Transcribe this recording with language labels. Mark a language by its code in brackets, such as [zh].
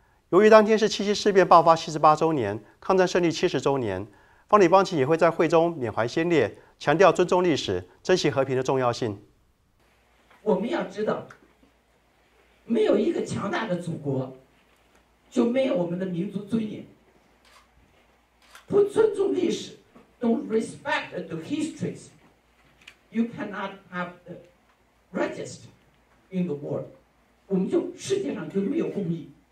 [zh] 由于当天是七七事变爆发78周年、抗战胜利70周年，方礼邦琴也会在会中缅怀先烈，强调尊重历史、珍惜和平的重要性。我们要知道，没有一个强大的祖国，就没有我们的民族尊严。不尊重历史 [en] ，don't respect the histories, you cannot have the register in the world. [zh] 我们就世界上就没有公义。